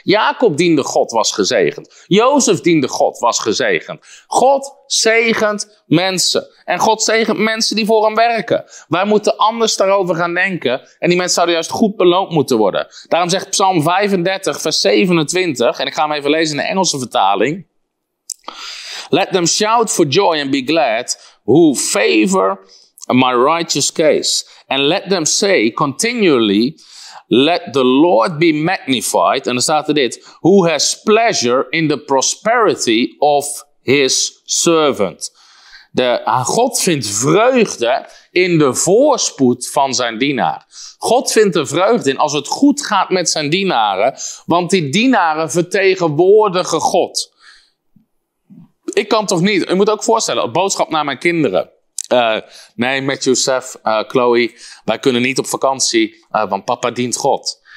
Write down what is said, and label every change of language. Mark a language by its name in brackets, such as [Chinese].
[Dutch] Jacob diende God, was gezegend. Jozef diende God, was gezegend. God zegent mensen. En God zegent mensen die voor hem werken. Wij moeten anders daarover gaan denken. En die mensen zouden juist goed beloond moeten worden. Daarom zegt Psalm 35, vers 27. En ik ga hem even lezen in de Engelse vertaling. [English] Let them shout for joy and be glad who favor my righteous case. And let them say continually, let the Lord be magnified. En dan staat er dit, who has pleasure in the prosperity of his servant. [Dutch] De, God vindt vreugde in de voorspoed van zijn dienaar. God vindt er vreugde in als het goed gaat met zijn dienaren, want die dienaren vertegenwoordigen God. Ik kan toch niet, u moet ook voorstellen, een boodschap naar mijn kinderen. Nee, met Joseph, Chloe, wij kunnen niet op vakantie, want papa dient God.